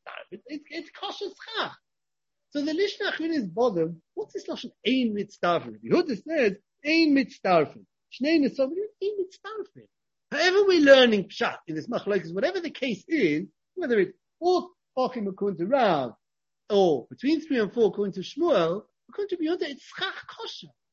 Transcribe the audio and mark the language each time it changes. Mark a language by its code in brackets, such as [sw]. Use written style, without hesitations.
[en] It's kosher schach. So the lishna achrina is bothered. What's this lashon [he] ein mitzdarfin? [en] The Yehuda says ein mitzdarfin. [he] Shnei nesavim ein mitzdarfin. [en] However we're learning pshat in this machlokes, whatever the case is, whether it's four talking according to Rav or between three and four according to Shmuel, according to Yehuda, it's schach kosher.